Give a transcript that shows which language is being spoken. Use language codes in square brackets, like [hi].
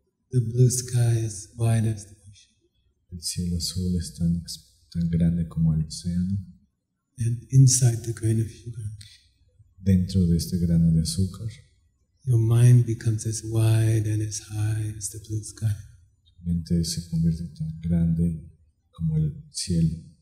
[en] The blue sky is wide as the ocean. [es] El cielo azul es tan grande como el océano. [en] And inside the grain of sugar. [es] Dentro de este grano de azúcar. [en] Your mind becomes as wide and as high as the blue sky. [es] Tu mente se convierte tan grande como el cielo.